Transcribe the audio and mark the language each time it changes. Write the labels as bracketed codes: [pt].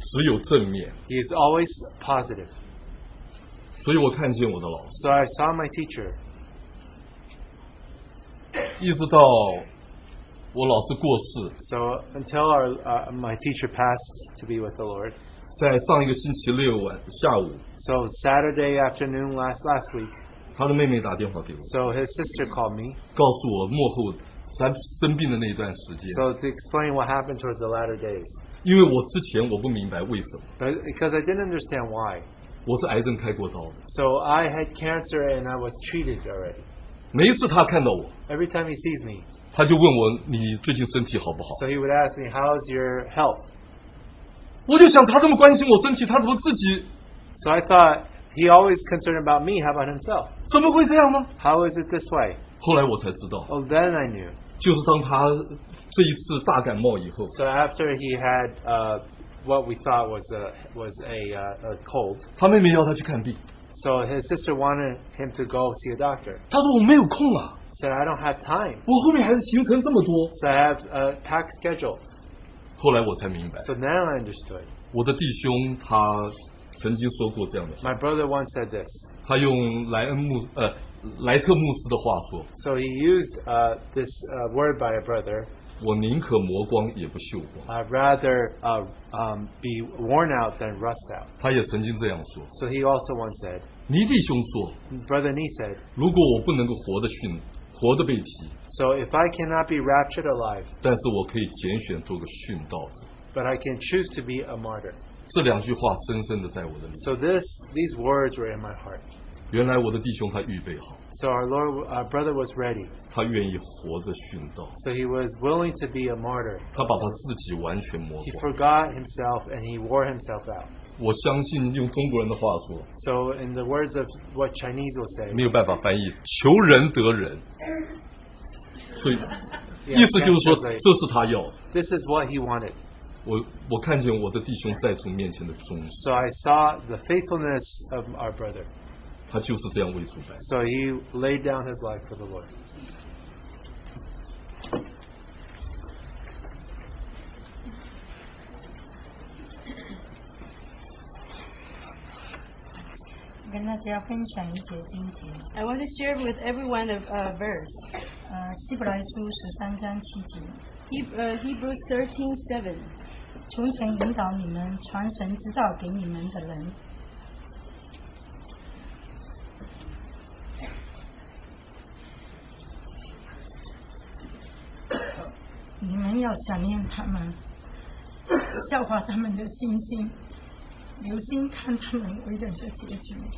[zh] 只有正面, [en] he is always positive. [zh] 所以我看见我的老师。 [en] So I saw my teacher. [zh] 一直到我老师过世。 [en] So until our my teacher passed to be with the Lord. [zh] 在上一个星期六晚下午。 [en] So Saturday afternoon last week. [zh] 他的妹妹打电话给我。 [en] So his sister called me. [zh] 告诉我幕后咱生病的那一段时间。 [en] So to explain what happened towards the latter days. [zh] 因为我之前我不明白为什么。 [en] But because I didn't understand why. So I had cancer and I was treated already. [zh] 每一次他看到我, [en] every time he sees me, [zh] 他就问我, [en] so he would ask me, how's your health? [zh] 我就想他这么关心我身体, 他怎么自己, [en] so I thought, he always concerned about me, how about himself? [zh] 怎么会这样呢? [en] How is it this way? [zh] 后来我才知道, [en] oh, then I knew. [zh] 就是当他这一次大感冒以后, [en] so after he had what we thought was a cold. [zh] 他妹妹要他去看病。 [en] So his sister wanted him to go see a doctor. [zh] 他说我没有空啊。 [en] Said I don't have time. [zh] 我后面还是行程这么多。 [en] So I have a packed schedule. [zh] 后来我才明白。 [en] So now I understood. [zh] 我的弟兄他曾经说过这样的话。 [en] My brother once said this. [zh] 他用莱特牧师的话说。 [en] So he used this word by a brother. [zh] 我宁可磨光也不锈光。 [en] I'd rather be worn out than rust out. [zh] 他也曾经这样说。 [en] So he also once said, [zh] 尼弟兄说, [en] Brother Ni said, [zh] 如果我不能够活得被提, [en] so if I cannot be raptured alive, [zh] 但是我可以拣选做个殉道者, [en] but I can choose to be a martyr. [zh] 这两句话深深地在我的里面。 [en] So these words were in my heart. [zh] 原来我的弟兄他预备好。 [en] So our Lord, our brother was ready. [zh] 他愿意活着殉道。 [en] So he was willing to be a martyr. [zh] 他把他自己完全磨光。 [en] He forgot himself and he wore himself out. [zh] 我相信用中国人的话说。 [en] So in the words of what Chinese will say. [zh] 没有办法翻译，求人得人。所以意思就是说，这是他要的。 [en] This is what he wanted. [zh] 我看见我的弟兄在主面前的忠心。 [en] So I saw the faithfulness of our brother. [zh] 他就是这样为主摆。 [en] So he laid down his life for the Lord. [zh] 跟大家分享一节经节。 [en] I want to share with everyone a verse. [zh] 希伯来书十三章七节。 [en] Hebrews 13:7. [zh] 从前引导你们、传神之道给你们的人。你们要想念他们，笑话他们的信心，留心看他们为人的结局。